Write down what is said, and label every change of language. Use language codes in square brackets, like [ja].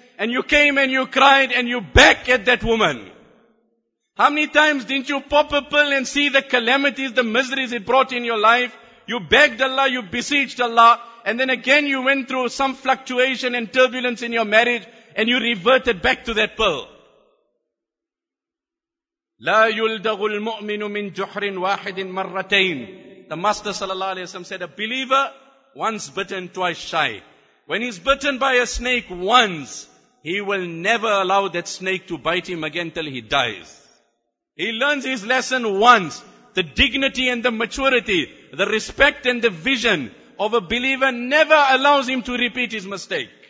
[en] And you came and you cried and you back at that woman? How many times didn't you pop a pill and see the calamities, the miseries it brought in your life? You begged Allah, you beseeched Allah. And then again you went through some fluctuation and turbulence in your marriage and you reverted back to that pill. [ar] لا يلدغ المؤمن من جحر واحد مرتين. [en] The Master sallallahu alaihi wasallam said, a believer once bitten, twice shy. When he's bitten by a snake once, he will never allow that snake to bite him again till he dies. He learns his lesson once. The dignity and the maturity, the respect and the vision of a believer never allows him to repeat his mistake.